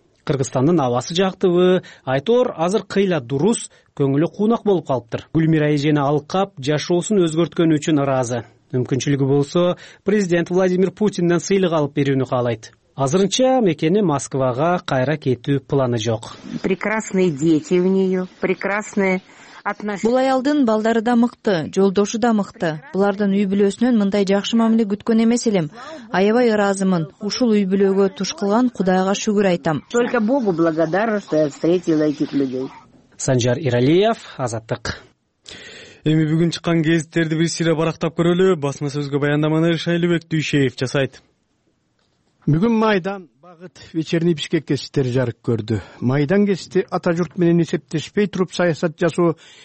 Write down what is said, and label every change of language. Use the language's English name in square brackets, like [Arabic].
[Kyrgyz] Кыргызстандын абасы жактыбы, айтор азыр кыйла дурус, көңүлү куунак болуп калыптыр. Гүлмира эжени алкап, жашоосун өзгөрткөнү үчүн ыраазы. Мүмкүнчүлүгү болсо, президент Владимир Путинден сыйлык алып берүүнү каалайт. Азырынча мекени Москвага кайра кетүү планы жок. [Russian] Прекрасные дети у неё, прекрасные отношения. [Kyrgyz] Бул аялдын балдары да мыкты, жолдошу да мыкты. Булардын үй бүлөсүнөн мындай жакшы мамиле күткөн эмес элем. Аябай ыраазымын. Ушул үй бүлөгө туш кылган Кудайга шүгүр айтам. [Russian] Только Богу благодарна, что я встретила этих людей. [Kyrgyz] Санжар Иралиев, Азаттык. Эми бүгүн чыккан гезиттерди бир сыйра барактап көрөлү. Басма сөзгө баяндаманы Шайлыбек Дүйшеев жасайт. Бүгүн майдан, багыт, вечерний Бишкек гезиттери жарык көрдү. Майдан гезити ата журт менен эсептешпей туруп саясат жасоо